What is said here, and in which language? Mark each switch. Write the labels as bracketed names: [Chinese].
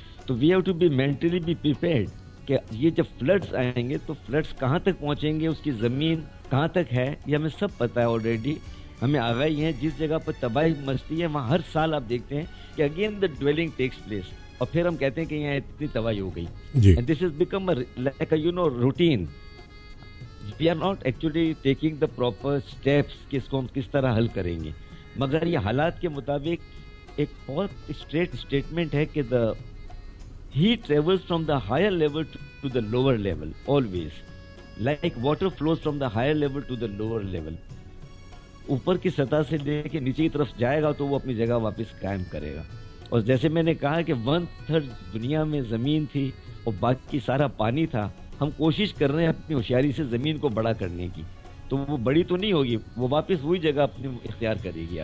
[Hindi] तो [English] we have to be mentally be prepared [Hindi] कि ये जब फ्लड्स आएंगे तो फ्लड्स कहाँ तक पहुंचेंगे, उसकी जमीन कहाँ तक है ये हमें सब पता है ऑलरेडी. हमें आगाही है जिस जगह पर तबाही मचती है वहाँ हर साल आप देखते हैं कि [English] again the dwelling takes place [Hindi] और फिर हम कहते हैं कि यहाँ इतनी तबाही हो गई. [English] This is become like you know routine. We are not actually taking the proper steps [Hindi] कि इसको हम किस तरह हल करेंगे, मगर ये हालात के मुताबिक एक बहुत स्ट्रेट स्टेटमेंट है कि [English] the heat travels from the higher level to the lower level always, like water flows from the higher level to the lower level. [Hindi] ऊपर की सतह से लेके नीचे की तरफ जाएगा तो वो अपनी जगह वापस कायम करेगा. और जैसे मैंने कहा कि 1/3 दुनिया में जमीन थी और बाकी सारा पानी था. हम कोशिश कर रहे हैं अपनी होशियारी से जमीन को बड़ा करने की, तो वो बड़ी तो नहीं होगी, वो वापस वही जगह अपने इख्तियार करेगी.